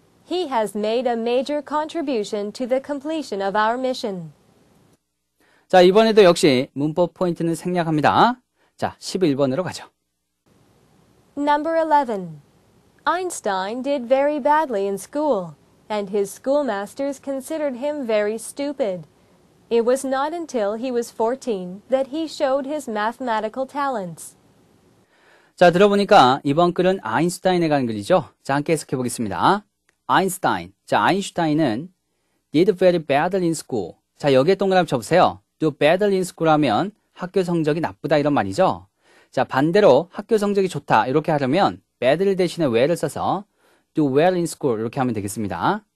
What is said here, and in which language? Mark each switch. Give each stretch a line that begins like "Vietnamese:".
English: He has made a major contribution to the completion of our mission.
Korean: 자, 이번에도 역시 문법 포인트는 생략합니다. 자, 11번으로 가죠.
English: Number 11. Einstein did very badly in school, and his schoolmasters considered him very stupid. It was not until he was 14 that he showed his mathematical talents.
Korean: 자, 들어보니까 이번 글은 아인슈타인에 관한 글이죠. 자, 함께 해석해 보겠습니다. 아인슈타인. 자, 아인슈타인은
English: did very badly in school.
Korean: 자, 여기에 동그라미 쳐보세요.
English: do badly in school
Korean: 하면 학교 성적이 나쁘다 이런 말이죠. 자, 반대로 학교 성적이 좋다 이렇게 하려면 badly 대신에 well을 써서
English: do well in school
Korean: 이렇게 하면 되겠습니다.